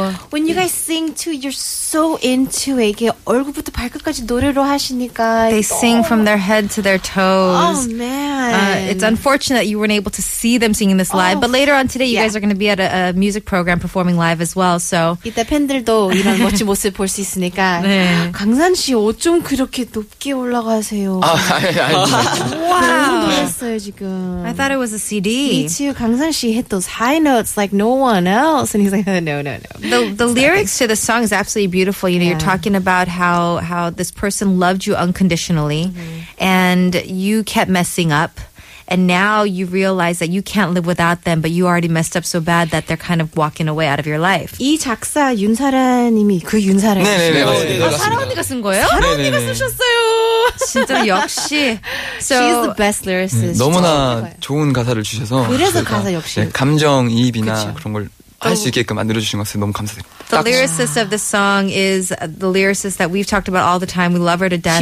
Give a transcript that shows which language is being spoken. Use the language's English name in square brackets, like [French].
[English] when you guys sing too, you're so into it. [Korean] 이게 얼굴부터 발끝까지 노래로 하시니까. [English] They sing from their head to their toes. Oh, man. It's unfortunate that you weren't able to see them singing this live. Oh. But later on today, you guys are going to be at a music program performing live as well. So [Korean] 이때 팬들도 이런 멋진 모습 볼 수 있으니까. 네. 강산 씨, 어쩜 그렇게 높게 올라가세요? 아니, 했어요, 지금. [English] I thought it was a CD. Me too. 강산 씨 hit those high notes like no one else. And he's like, no, no, no. The lyrics to the song is absolutely beautiful. You know, you're talking about how this person loved you unconditionally and you kept messing up. And now you realize that you can't live without them, but you already messed up so bad that they're kind of walking away out of your life. [Korean] 이 작사 윤사라님이 그 윤사라님. 네네네 맞습니다. 맞습니다. 아, 사라 언니가 쓴 거예요? 사라 언니가 쓰셨어요. 진짜 역시. [English] So, she is the best lyricist. [Korean] 너무나 좋은 가사를 주셔서. 그래서 가사 역시. 네, 감정 이입이나 그런 걸. 할 수 있게끔 만들어주신 것에 너무 감사드립니다. [English] The lyricist of the song is the lyricist that we've talked about all the time. We love her to death.